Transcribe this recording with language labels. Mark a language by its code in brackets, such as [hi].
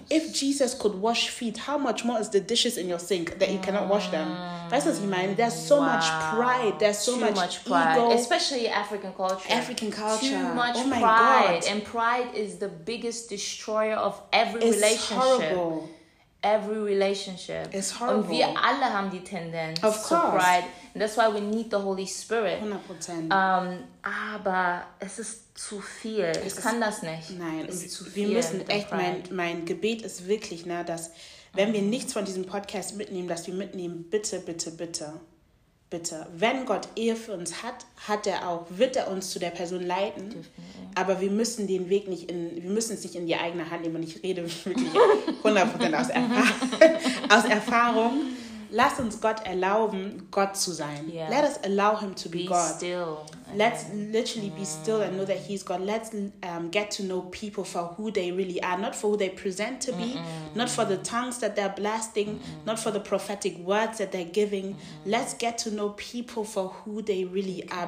[en] If Jesus could wash feet, how much more is the dishes in your sink that you cannot wash them? [de] Weißt du, was ich meine? [en] There's so much pride. There's so much pride. Ego. Especially African culture. African culture. Too much pride. And pride is the biggest destroyer of every relationship. It's horrible. [de] Und wir alle haben die Tendenz zu pride. [en] And that's why we need the Holy Spirit. 100%. [de] Aber es ist zu viel. Ich kann das nicht. Nein. Wir müssen echt, mein Gebet ist wirklich, ne, dass wenn wir nichts von diesem Podcast mitnehmen, dass wir mitnehmen, bitte, bitte, bitte, bitte. Wenn Gott Ehe für uns hat, hat er auch, wird er uns zu der Person leiten. Aber wir müssen den Weg nicht in, wir müssen es nicht in die eigene Hand nehmen. Und ich rede wirklich 100% aus Erfahrung. Lass uns Gott erlauben, Gott zu sein. [en] Yeah. Let us allow him to be God. Be still. Let's literally be still and know that he's God. Let's get to know people for who they really are. Not for who they present to be. Not for the tongues that they're blasting. Not for the prophetic words that they're giving. Let's get to know people for who they really are.